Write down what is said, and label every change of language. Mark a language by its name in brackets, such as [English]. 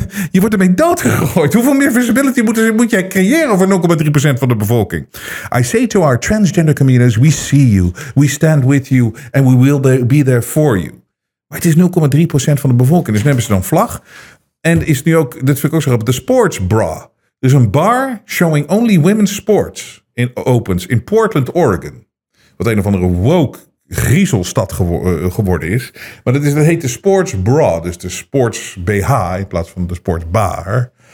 [Dutch] Je wordt ermee doodgegooid. Hoeveel meer visibility moet jij creëren voor 0,3% van de bevolking? [English] I say to our transgender communities, we see you, we stand with you, and we will be there for you. [Dutch] Maar het is 0,3% van de bevolking. Dus nemen ze dan vlag. En is nu ook, dit vind ik ook zo grappig, de sports bra. Dus een [English] bar showing only women's sports in opens in Portland, Oregon. [Dutch] Wat een of andere woke griezelstad geworden is. Maar dat heet de sports bra. Dus de sports BH in plaats van de sports bar.